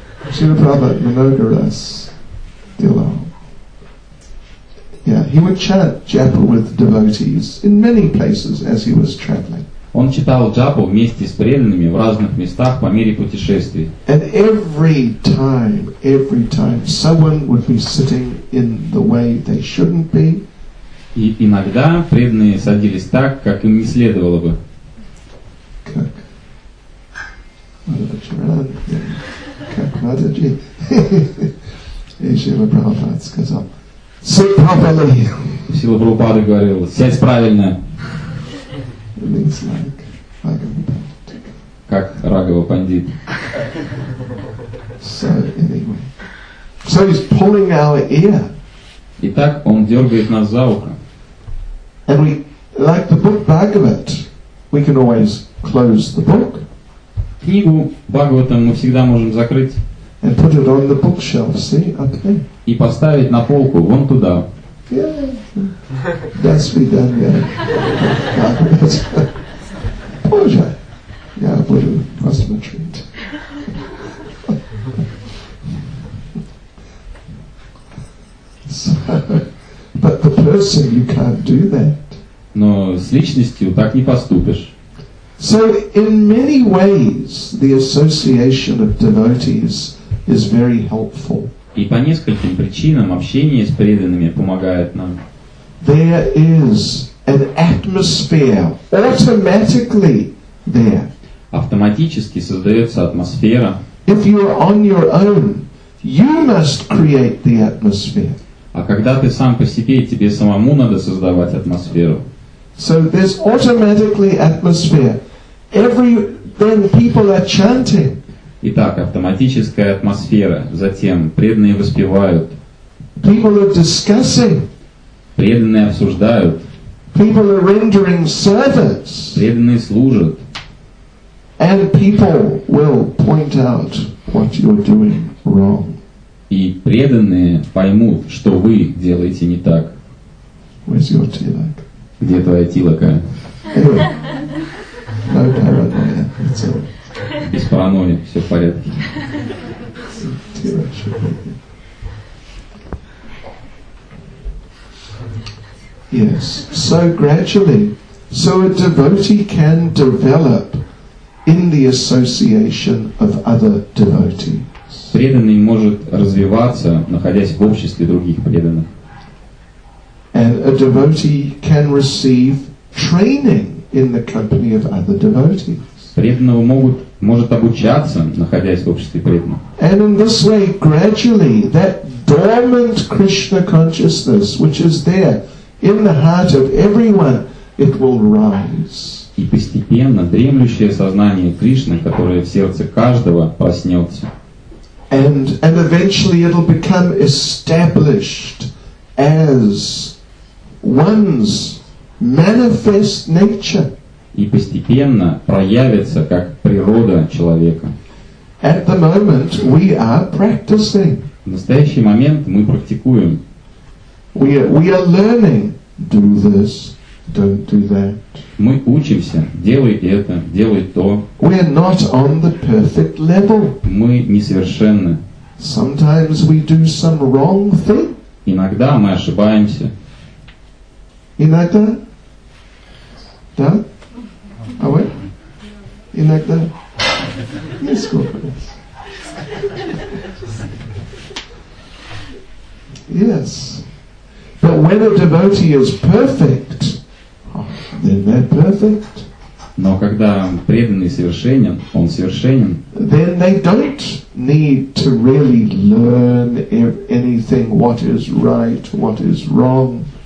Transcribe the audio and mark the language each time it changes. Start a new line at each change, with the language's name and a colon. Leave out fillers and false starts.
Russian: Шрила Прабхупада Манокарас делал.
English: Yeah, he would chant japa with devotees in many places as he was traveling.
Russian: Он читал джапу вместе с преданными в разных местах по мере путешествий.
English: And every time, someone would be sitting in the way they shouldn't be.
Russian: И иногда преданные садились так, как им не следовало бы. Как? Мададжи. Как Мададжи. И Шрила Прабхупада сказал,
English: sit properly.
Russian: Шрила Прабхупада говорил, сядь правильно.
English: It means like Raghava Pandit.
Russian: Как Raghava Pandit.
English: So anyway. So he's pulling our ear.
Russian: Итак, он дергает нас за ухо.
English: And we, like the book Bhagavat, we can always close the book.
Russian: Книгу Бхагаватам мы всегда можем закрыть.
English: And put it on the bookshelf, see? Okay.
Russian: И поставить на полку вон туда.
English: Yeah, that's be done, yeah. Bhagavat. Yeah, Buddha must retreat. So, but the person, you can't do that.
Russian: Но с личностью так не поступишь.
English: So, in many ways, the association of devotees is very helpful.
Russian: И по нескольким причинам общение с преданными помогает нам.
English: There is an atmosphere automatically there.
Russian: Автоматически создается атмосфера.
English: If you are on your own, you must create the atmosphere.
Russian: А когда ты сам по себе, тебе самому надо создавать атмосферу.
English: So there's automatically atmosphere. Then people are chanting.
Russian: Итак, автоматическая атмосфера. Затем преданные воспевают.
English: People are discussing.
Russian: Преданные обсуждают.
English: People are rendering service.
Russian: Преданные служат.
English: And people will point out what you're doing wrong.
Russian: И преданные поймут, что вы делаете не так.
English: Where's your tilaka?
Russian: Где твоя тилака?
English: Anyway. No paranoia. It's all.
Russian: Без паранойи, все в порядке.
English: Yes, so gradually, so a devotee can develop in the association of other devotees.
Russian: Преданный может развиваться, находясь в обществе других преданных.
English: And a devotee can receive training in the company of other devotees.
Russian: Преданного могут может обучаться, находясь в обществе преданных.
English: And in this way, gradually, that dormant Krishna consciousness, which is there in the heart of everyone, it will rise.
Russian: И постепенно дремлющее сознание Кришны, которое в сердце каждого, проснется.
English: And eventually it'll become established as one's manifest nature.
Russian: И постепенно проявится как природа человека.
English: At the moment we are practicing.
Russian: В настоящий момент мы практикуем.
English: We are learning. Do this. Don't do that.
Russian: Мы учимся. Делай это, делай то.
English: We're not on the perfect level.
Russian: Мы несовершенны.
English: Sometimes we do some wrong thing.
Russian: Иногда мы ошибаемся. Иногда? Да? А вы? Иногда? Не скупались.
English: Yes. But when a devotee is perfect, then they're perfect.
Russian: Но когда преданный совершенен, он совершенен.
English: Then they don't need to really learn anything, what is right, what is wrong.